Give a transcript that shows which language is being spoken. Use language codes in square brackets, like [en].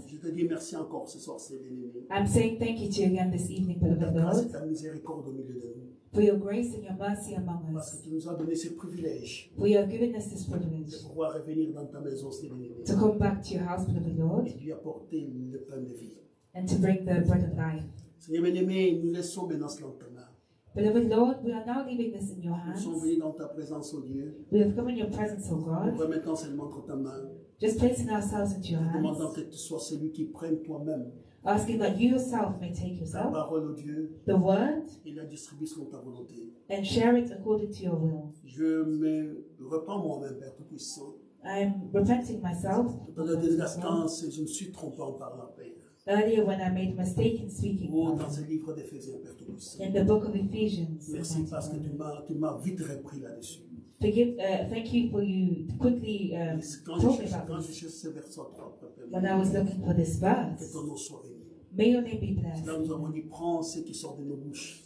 [fr] Je te dis merci encore ce soir, c'est bien-aimé. [en] I'm saying thank you to you again this evening, beloved Lord. [fr] Ta grâce et ta miséricorde au milieu de nous. [en] For your grace and your mercy among us. [fr] Parce que tu nous as donné ce privilège. [en] For you have given us this privilege. [fr] De pouvoir revenir dans ta maison, c'est bien-aimé. [en] To come back to your house, beloved Lord. [fr] Et lui apporter le pain de vie. [en] And to bring the bread of life. [fr] Seigneur bien-aimé, nous laissons maintenant cela en ta main. [en] Beloved Lord, we are now leaving this in your hands. [fr] Nous sommes venus dans ta présence, oh Dieu. [en] We have come in your presence, oh God. [fr] Nous remettons seulement entre ta main. [en] Just placing ourselves into your hands. [fr] Demandant que tu sois celui qui prenne toi-même. [en] Asking that you yourself may take yourself. [fr] La parole, oh Dieu. [en] The word. [fr] Et la distribuer selon ta volonté. [en] And share it according to your will. [fr] Je me repens moi-même, Père Tout-Puissant. [en] I'm repenting myself. [fr] Dans la désastance, je me suis trompé en parlant, Père. [en] Earlier when I made a mistake in speaking. [fr] Oh, dans ce livre d'Éphésiens, Père Tout-Puissant. [en] In the book of Ephesians. [fr] Merci parce que tu m'as vite repris là-dessus. [en] Thank you for you quickly talking about this. When I was looking for this verse, may your name be blessed. [fr] Là, nous avons dit, prends ce qui sort de nos bouches.